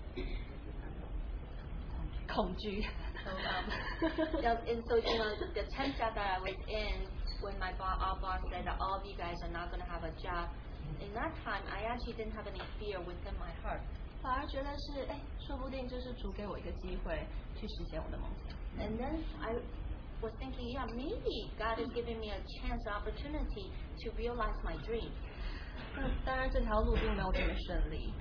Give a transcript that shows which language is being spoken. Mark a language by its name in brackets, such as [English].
[Chinese] 所以当我现在这份临时的工作的领导把我们放在办公室里告诉我们你们都要会被裁员的时候，我心里反而没有那么的恐惧。 [English] So, and so the temp job that I was in when my boss said that all of you guys are not going to have a job, in that time, I actually didn't have any fear within my heart. [Chinese] 反而觉得是，哎，说不定这是主给我一个机会去实现我的梦想。 [English] And then I was thinking, yeah, maybe God is giving me a chance, opportunity to realize my dream. [Chinese] 当然这条路并没有这么顺利。